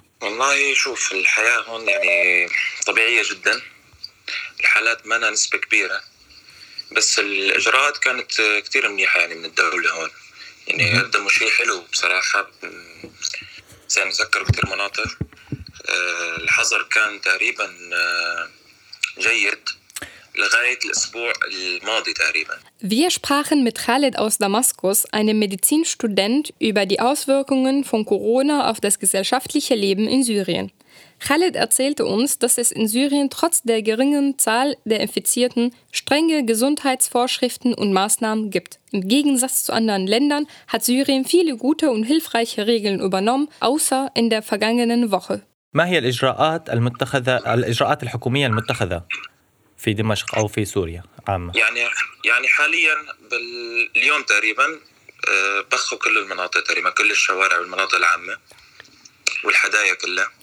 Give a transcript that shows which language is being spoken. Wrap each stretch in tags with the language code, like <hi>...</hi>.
<ar>والله شوف، الحياة هون يعني طبيعية جدا، الحالات ما لها نسبة كبيرة، بس الإجراءات كانت كتير منيحة يعني من الدولة هون، يعني قدموا شيء حلو بصراحة. سنذكر كتير مناطق الحظر كان تقريبا جيد لغاية الأسبوع الماضي تقريبا.</ar> <de>Wir sprachen mit Khaled aus Damaskus, einem Medizinstudent, über die Auswirkungen von Corona auf das gesellschaftliche Leben in Syrien. Khaled erzählte uns, dass es in Syrien trotz der geringen Zahl der Infizierten strenge Gesundheitsvorschriften und Maßnahmen gibt. Im Gegensatz zu anderen Ländern hat Syrien viele gute und hilfreiche Regeln übernommen, außer in der vergangenen Woche.</de> <ar>ما هي الإجراءات الحكومية المتخذة في دمشق أو في سوريا عامة؟ يعني حاليا اليوم تقريبا بخوا كل المناطق، تقريبا كل الشوارع والمناطق العامة والحدايا كلها.</ar>